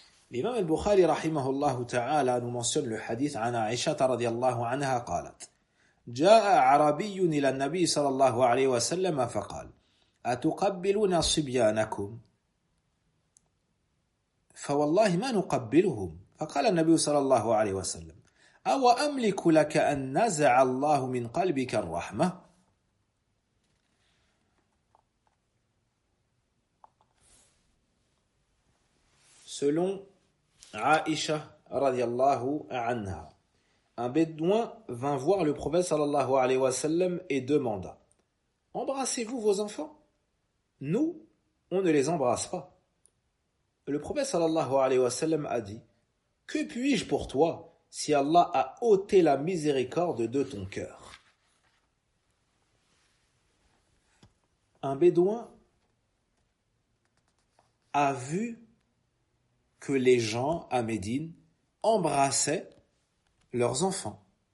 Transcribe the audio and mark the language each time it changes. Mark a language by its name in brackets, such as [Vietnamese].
[French] L'imam al-Bukhari, rahimahullah ta'ala, nous mentionne le hadith, [Arabic] « Ana Aishata radiallahu anha, qalat, « Ja'a arabiyun ila nabi sallallahu alayhi wa sallam, faqal, « أتقبلون صبيانكم؟ فوالله ما نقبلهم. فقال النبي صلى الله عليه وسلم أو أملك لك أن نزع الله من قلبك الرحمة؟ [French] Selon Aïcha رضي الله عنها, un bédouin vint voir le prophète صلى الله عليه وسلم et demanda, embrassez-vous vos enfants? Nous, on ne les embrasse pas. Le prophète sallallahu alayhi wa sallam a dit, que puis-je pour toi si Allah a ôté la miséricorde de ton cœur? Un bédouin a vu que les gens à Médine embrassaient leurs enfants.